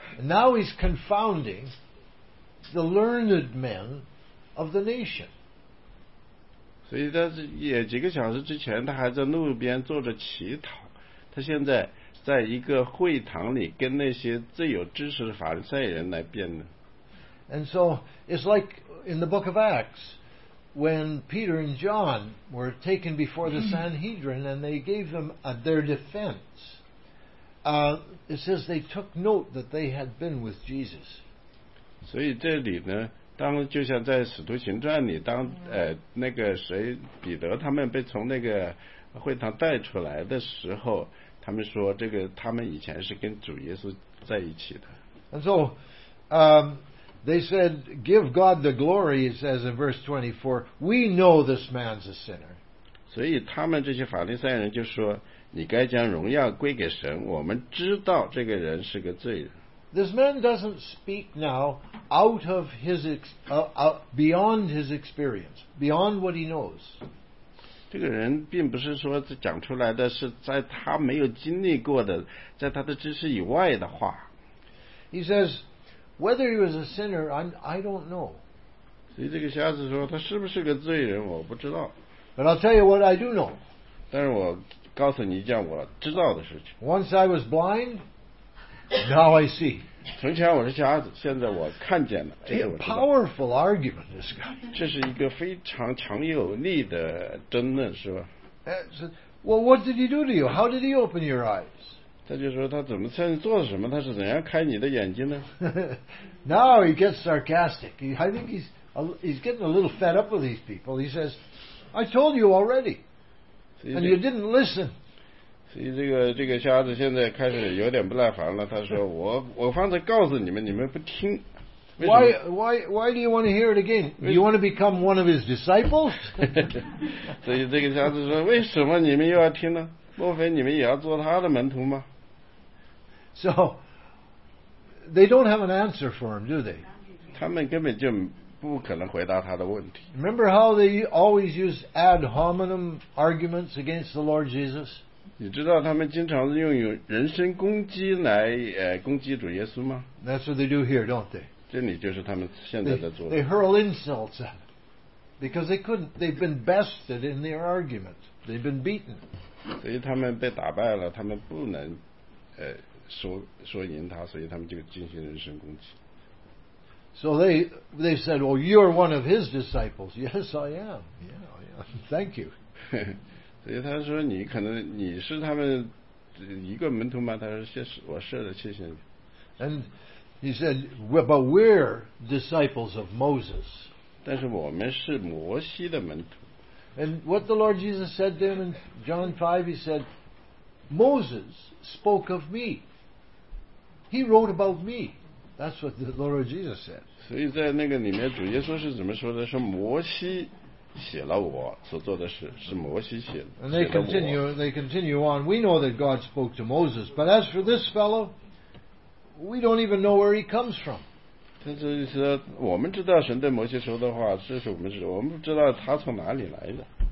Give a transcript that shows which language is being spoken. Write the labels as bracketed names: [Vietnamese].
[English] now he's confounding the learned men of the nation. [Chinese] 所以他也几个小时之前，他还在路边坐着乞讨。他现在在一个会堂里跟那些最有知识的法利赛人来辩论。 [English] And so it's like in the book of Acts, when Peter and John were taken before the Sanhedrin and they gave them their defense, it says they took note that they had been with Jesus. [Chinese] 所以这里呢，当就像在《使徒行传》里，当那个谁彼得他们被从那个会堂带出来的时候，他们说这个他们以前是跟主耶稣在一起的。 [English] And so, they said, give God the glory, it says in verse 24, we know this man's a sinner. [Chinese] 所以他们这些法利赛人就说，你该将荣耀归给神，我们知道这个人是个罪人。 [English] This man doesn't speak now out of his, beyond his experience, beyond what he knows. [Chinese] 这个人并不是说讲出来的是在他没有经历过的，在他的知识以外的话。 [English] He says, whether he was a sinner, I don't know. [Chinese] 所以这个瞎子说，他是不是个罪人，我不知道。 [English] But I'll tell you what I do know. [Chinese] 但是我告诉你一件我知道的事情。 [English] Once I was blind, now I see. [Chinese] 从前我是瞎子，现在我看见了。哎，我知道。 [English] Powerful argument, this guy. [Chinese] 这是一个非常强有力的争论，是吧？ [English] Well, what did he do to you? How did he open your eyes? [Chinese] 他就说他怎么在做什么？他是怎样开你的眼睛呢？ [English] Now he gets sarcastic. I think he's getting a little fed up with these people. He says, "I told you already, and you didn't listen." [Chinese] 所以这个瞎子现在开始有点不耐烦了，他说我方才告诉你们，你们不听。 [English] Why do you want to hear it again? You want to become one of his disciples? [Chinese] 所以这个瞎子说，为什么你们又要听呢？莫非你们也要做他的门徒吗？ [English] So they don't have an answer for him, do they? [Chinese] 他们根本就不可能回答他的问题。 [English] Remember how they always use ad hominem arguments against the Lord Jesus? [Chinese] 你知道他们经常用人身攻击来攻击主耶稣吗？ [English] That's what they do here, don't they? [Chinese] 这里就是他们现在在做的。 [English] They hurl insults at him because they couldn't. They've been bested in their argument. They've been beaten. [Chinese] 所以他们被打败了，他们不能说赢他，所以他们就进行人身攻击。 [English] So they said, "Well, you're one of his disciples." Yes, I am. Yeah, yeah. Thank you. [Chinese] 所以他说你可能你是他们一个门徒吗？他说谢谢，我是的，谢谢你。 [English] And he said, well, "But we're disciples of Moses." [Chinese] 但是我们是摩西的门徒。 [English] And what the Lord Jesus said to him in John 5, he said, "Moses spoke of me. He wrote about me." That's what the Lord Jesus said. [Chinese] 所以在那个里面，主耶稣是怎么说的？说摩西。写了我所做的事是摩西写的。 [English] And they continue on. We know that God spoke to Moses, but as for this fellow, we don't even know where he comes from. 但是说我们知道神对摩西说的话，这是我们不知道他从哪里来的。